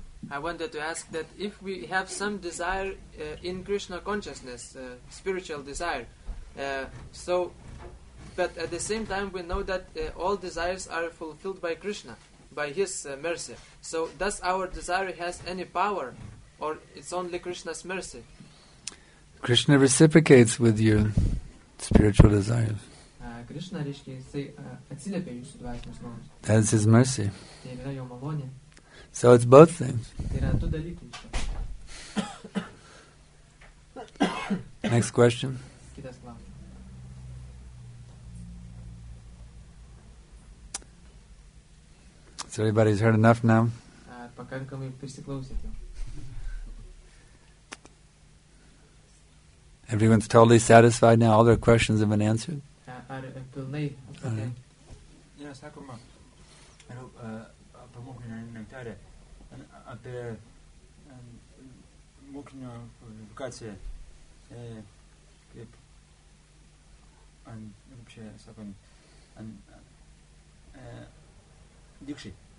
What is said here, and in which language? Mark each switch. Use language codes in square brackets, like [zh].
[en] I wanted to ask that if we have some desire in Krishna consciousness, spiritual desire, so but at the same time, we know that all desires are fulfilled by Krishna, by His mercy. So, does our desire has any power, or it's only Krishna's mercy? Krishna reciprocates with your spiritual desires. [lt] Krishna, reiškia, jisai atsiliepia jūsų dvasinius norus. [en] That is His mercy. [lt] Tai yra jo malonė. [en] So, it's both things. [lt] Tai yra du dalykai. [en] Next question. [lt] Kitas klausimas. [en] So everybody's heard enough now? [lt] Pakankamai prisiklausėte. [en] Everyone's totally satisfied now. All their questions have been answered. [lt] Ar pilnai atsakė? Ne, sakoma, apie mokinio nektarę, apie mokinio edukaciją, kaip, kaip čia sakom, dikšiai.